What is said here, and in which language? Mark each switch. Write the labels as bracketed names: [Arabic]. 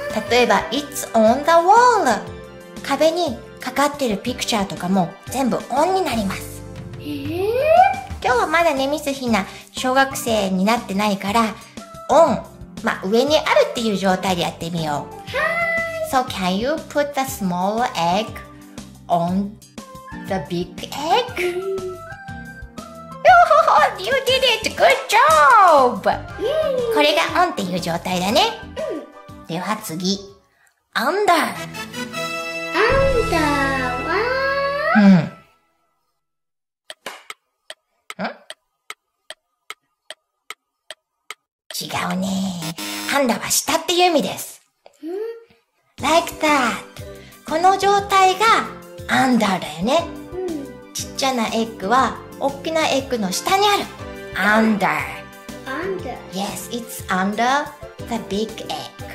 [Japanese] 例えば [English] it's on the wall、 [Japanese] 壁にかかってるピクチャーとかも全部 on になります。今日はまだね、ミスヒナ小学生になってないから、オン、まあ上にあるっていう状態でやってみよう。はい。 [English] So can you put the small egg on the big egg? Yohoho, you did it! Good job! [Japanese] これがオンっていう状態だね。うん。では次、Under。 Under は、うん。違うね。アンダーは下っていう意味です。 [English] Like that。 [Japanese] この状態がアンダーだよね。うん、ちっちゃなエッグは大きなエッグの下にある。アンダー。アンダー。 [English] Yes, it's under the big egg。